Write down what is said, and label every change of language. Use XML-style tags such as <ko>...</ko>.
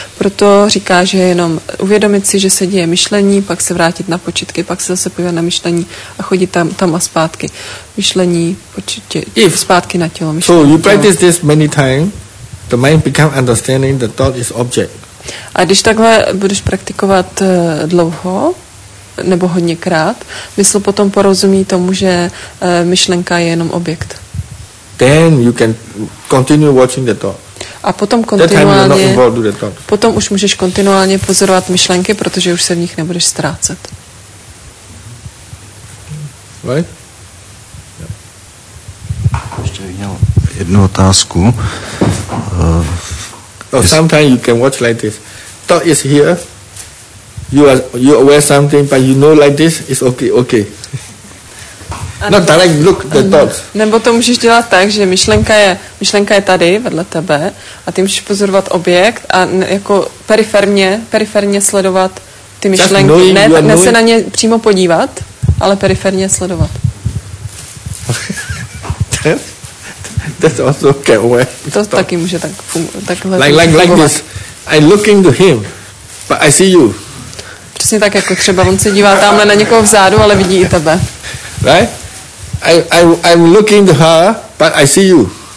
<cs>Proto říká, že jenom uvědomit si, že se děje myšlení, pak se vrátit na počitky, pak se zase podívat na myšlení a chodit tam a zpátky. Myšlení, počitky, zpátky na tělo.</cs> <en>So you practice this many times, the mind become understanding, the thought is object.</en> <cs>A když takhle budeš praktikovat dlouho, nebo hodněkrát, mysl potom porozumí tomu, že myšlenka je jenom objekt.</cs> <en>Then you can continue watching the thought.</en> <cs>A potom kontinuálně,</cs> <en>that time you're not involved with the thought.</en> <cs>Potom už můžeš kontinuálně pozorovat myšlenky, protože už se v nich nebudeš ztrácet.</cs> <en>Right?</en> <cs>Ještě bych měl jednu otázku.</cs> <en>Sometimes you can watch like this. Thought is here. You are aware something, but you know like this, it's okay. Not direct, look the thoughts.</en> <cs>Nebo to můžeš dělat tak, že myšlenka je tady, vedle tebe, a ty můžeš pozorovat objekt a jako periferně sledovat ty myšlenky. Ne se na ně přímo podívat, ale periferně sledovat.</cs> <en>That's also okay, aware.</en> <cs>To taky může tak takhle</cs> <en>like this, I'm looking to him, but I see you.</en> <cs>Přesně tak, jako třeba on se dívá tamhle na někoho vzadu, ale vidí i tebe.</cs> <en>Right? I'm looking to her, but I see you.</en>